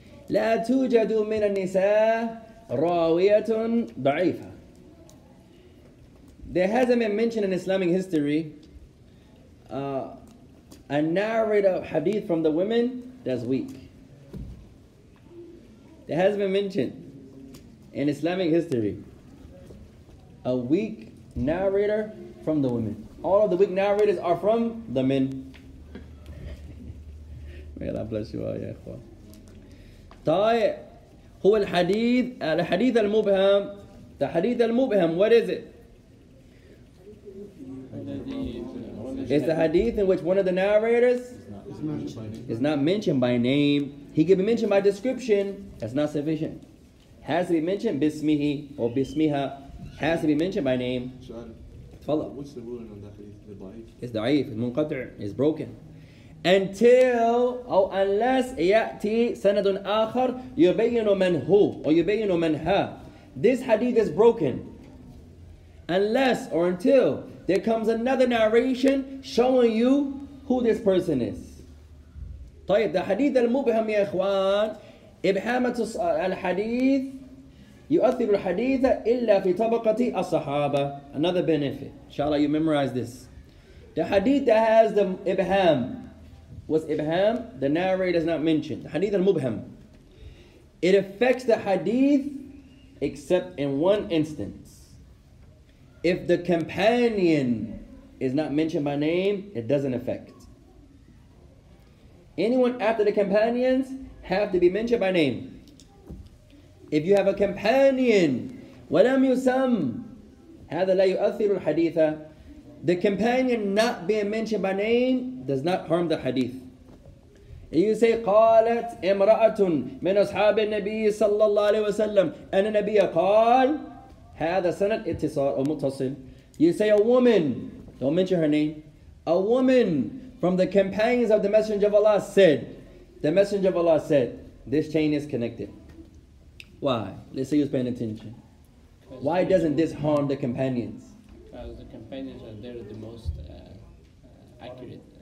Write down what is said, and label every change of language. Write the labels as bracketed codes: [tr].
[ar] لا توجد من النساء راوية ضعيفة. [en] There hasn't been mentioned in Islamic history a narrator of hadith from the women that's weak. There hasn't been mentioned in Islamic history a weak narrator from the women. All of the weak narrators are from the men. May Allah bless you all, ya ikhwan. [ar] طيب هو الحديث الحديث المبهم الحديث المبهم [en] what is it? It's the hadith in which one of the narrators is not mentioned by name. He can be mentioned by description. That's not sufficient. Has to be mentioned [ar] bismihi or bismiha. [en] Has to be mentioned by name. Follow. What's the ruling on that hadith? It's da'if. It's munqati'. It's broken. Until or unless [ar] يأتي سند آخر يبين من هو or يبين من ها. [en] This hadith is broken. Unless or until there comes another narration showing you who this person is. [ar] طيب [en] the hadith [ar] المبهم يا إخوان إبهامة الحديث يؤثر الحديث إلا في طبقة الصحابة. [en] Another benefit. Inshallah you memorize this. The hadith that has the إبهام. What's Ibham? The narrator is not mentioned. The hadith al-mubham. It affects the hadith except in one instance. If the companion is not mentioned by name, it doesn't affect. Anyone after the companions have to be mentioned by name. If you have a companion, [ar] وَلَمْ يُسَمْ هَذَا لَا يُؤَثِّرُ الْحَدِيثَ. [en] The companion not being mentioned by name does not harm the hadith. You say, [ar] قالت امرأة من أصحاب النبي صلى الله عليه وسلم أن النبي قال هذا سنة اتصال أو متصل. [en] You say, a woman, don't mention her name, a woman from the companions of the Messenger of Allah said, the Messenger of Allah said, this chain is connected. Why? Let's say you're paying attention. Why doesn't this harm the companions? Because the companions are there the most accurate.